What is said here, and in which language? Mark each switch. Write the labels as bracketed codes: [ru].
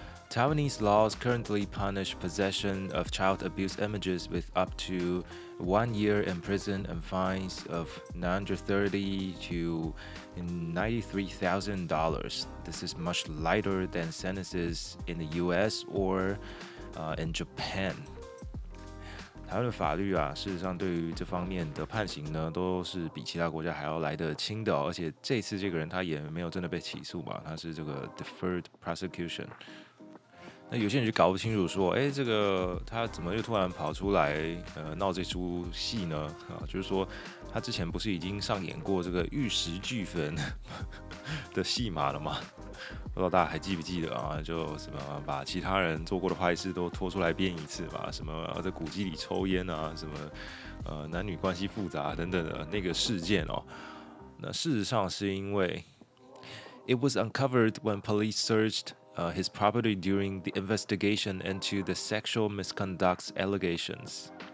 [en] Taiwanese laws currently punish possession of child abuse images with up to 1 year in prison and fines of $930,000 to $93,000. This is much lighter than sentences in the U.S. or in Japan. [zh] 台湾的法律啊，事实上对于这方面的判刑呢，都是比其他国家还要来得轻的哦。而且这次这个人他也没有真的被起诉嘛，他是这个 deferred prosecution。那有些人就搞不清楚说，哎，这个他怎么又突然跑出来闹这出戏呢？啊，就是说他之前不是已经上演过这个玉石俱焚的戏码了吗？不知道大家还记不记得啊？就什么把其他人做过的坏事都拖出来编一次吧，什么在古迹里抽烟啊，什么男女关系复杂等等的那个事件哦。那事实上是因为 [en] ，It was uncovered when police searched his property during the investigation into the sexual misconduct allegations。